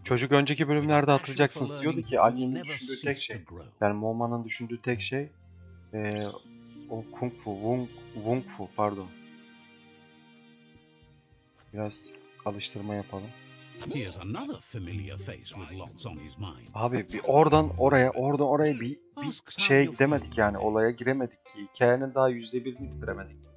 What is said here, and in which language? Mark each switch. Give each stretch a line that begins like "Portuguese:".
Turkish: Çocuk önceki bölümlerde hatırlayacaksınız diyordu ki annenin düşündüğü tek şey, yani Moma'nın düşündüğü tek şey o kung fu, wung fu pardon. Biraz alıştırma yapalım.
English: Here's another familiar face with lots on his mind.
Turkish: Abi bir oradan oraya, oradan oraya bir şey demedik yani, olaya giremedik ki, hikayenin daha %1'ini bitiremedik.